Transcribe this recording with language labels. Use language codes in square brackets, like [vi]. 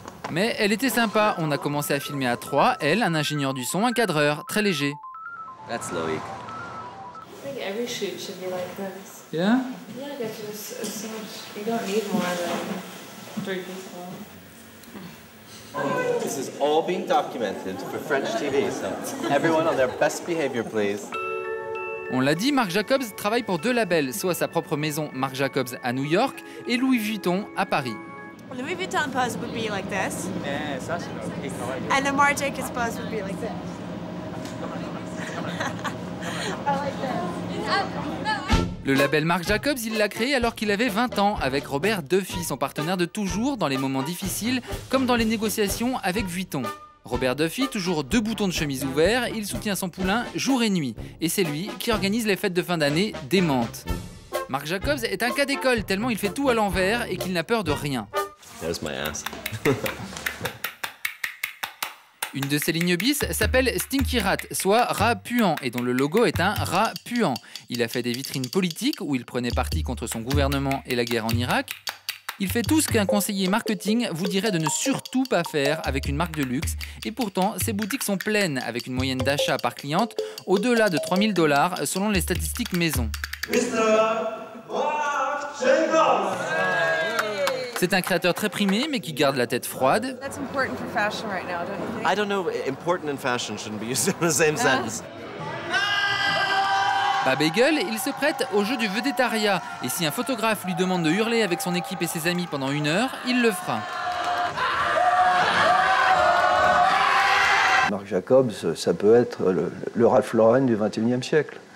[fr] Mais elle était sympa, on a commencé à filmer à trois, elle, un ingénieur du son, un cadreur, très léger. [en] That's Loïc. I think every shoot should be like this. Yeah? Yeah, there's so much, you don't need more than three people. This is all being documented for French TV, so everyone on their best behavior, please. [fr] On l'a dit, Marc Jacobs travaille pour deux labels, soit sa propre maison Marc Jacobs à New York et Louis Vuitton à Paris. [en] Louis Vuitton pose would be like this. Yeah, and the Marc Jacobs pose would be like this. I like this. [fr] Le label Marc Jacobs, il l'a créé alors qu'il avait 20 ans, avec Robert Duffy, son partenaire de toujours, dans les moments difficiles, comme dans les négociations avec Vuitton. Robert Duffy, toujours deux boutons de chemise ouverts, il soutient son poulain jour et nuit. Et c'est lui qui organise les fêtes de fin d'année des Mantes. Marc Jacobs est un cas d'école tellement il fait tout à l'envers et qu'il n'a peur de rien. [en] There's my ass. [fr] Une de ses lignes bis s'appelle Stinky Rat, soit rat puant, et dont le logo est un rat puant. Il a fait des vitrines politiques où il prenait parti contre son gouvernement et la guerre en Irak. Il fait tout ce qu'un conseiller marketing vous dirait de ne surtout pas faire avec une marque de luxe, et pourtant, ses boutiques sont pleines avec une moyenne d'achat par cliente au-delà de 3 000 $ selon les statistiques maison. C'est un créateur très primé, mais qui garde la tête froide. [en] That's important for fashion right now, don't you think? I don't know. Important and fashion shouldn't be used in the same sentence. [fr] Pas bagel, il se prête au jeu du vedettariat. Et si un photographe lui demande de hurler avec son équipe et ses amis pendant une heure, il le fera. Marc Jacobs, ça peut être le Ralph Lauren du 21e siècle.